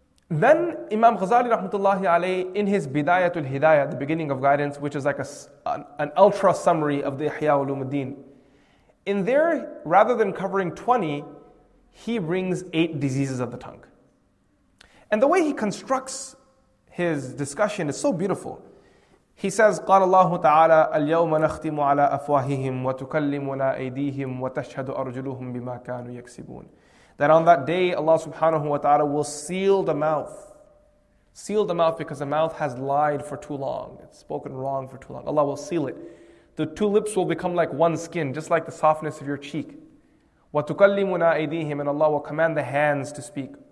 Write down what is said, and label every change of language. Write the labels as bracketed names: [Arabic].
[English] Then Imam Ghazali rahmatullahi alayhi, in his Bidayatul Hidayah, the beginning of guidance, which is like an ultra summary of the Ihya Ulumuddin, in there, rather than covering 20, he brings 8 diseases of the tongue. And the way he constructs his discussion is so beautiful. He says, [Arabic] قال الله تعالى اليوم نختم على أفواههم وتكلمنا أيديهم وتشهد أرجلهم بما كانوا يكسبون. [English] That on that day, Allah subhanahu wa ta'ala will seal the mouth. Seal the mouth because the mouth has lied for too long. It's spoken wrong for too long. Allah will seal it. The two lips will become like one skin, just like the softness of your cheek. [Arabic] وَتُكَلِّمُنَا أَيْدِيهِمْ [English] And Allah will command the hands to speak.